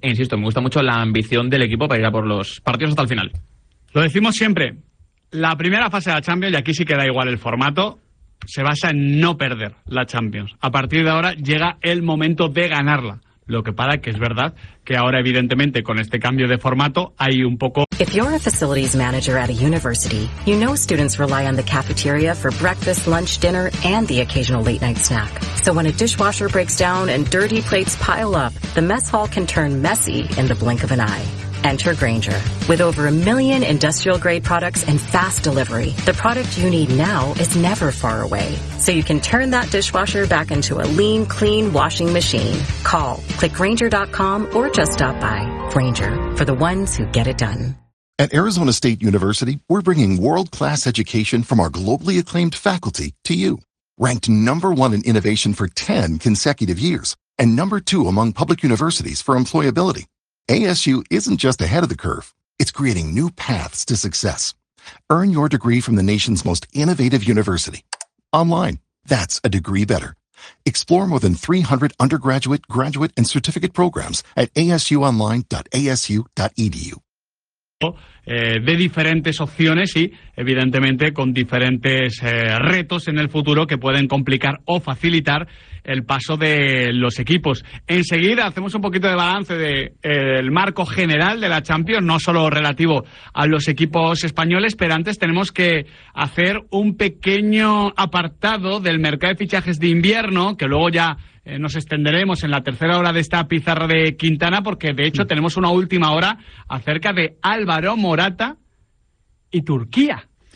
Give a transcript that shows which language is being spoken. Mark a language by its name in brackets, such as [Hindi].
[Spanish] E insisto, me gusta mucho la ambición del equipo para ir a por los partidos hasta el final. Lo decimos siempre. La primera fase de la Champions, y aquí sí que da igual el formato, se basa en no perder la Champions. A partir de ahora llega el momento de ganarla. Lo que pasa que es verdad que ahora, evidentemente, con este cambio de formato, hay un poco... [English] If you're a facilities manager at a university, you know students rely on the cafeteria for breakfast, lunch, dinner, and the occasional late-night snack. So when a dishwasher breaks down and dirty plates pile up, the mess hall can turn messy in the blink of an eye. Enter Grainger. With over a million industrial-grade products and fast delivery, the product you need now is never far away. So you can turn that dishwasher back into a lean, clean washing machine. Call, click Grainger.com, or just stop by. Grainger, for the ones who get it done. At Arizona State University, we're bringing world-class education from our globally acclaimed faculty to you. Ranked number one in innovation for 10 consecutive years, and number two among public universities for employability. ASU isn't just ahead of the curve, it's creating new paths to success. Earn your degree from the nation's most innovative university. Online, that's a degree better. Explore more than 300 undergraduate, graduate, and certificate programs at asuonline.asu.edu. [Spanish] De diferentes opciones y, evidentemente, con diferentes retos en el futuro que pueden complicar o facilitar el paso de los equipos. Enseguida hacemos un poquito de balance del marco general de la Champions, no solo relativo a los equipos españoles, pero antes tenemos que hacer un pequeño apartado del mercado de fichajes de invierno, que luego ya nos extenderemos en la tercera hora de esta pizarra de Quintana, porque de hecho tenemos una última hora acerca de Álvaro Morata y Turquía.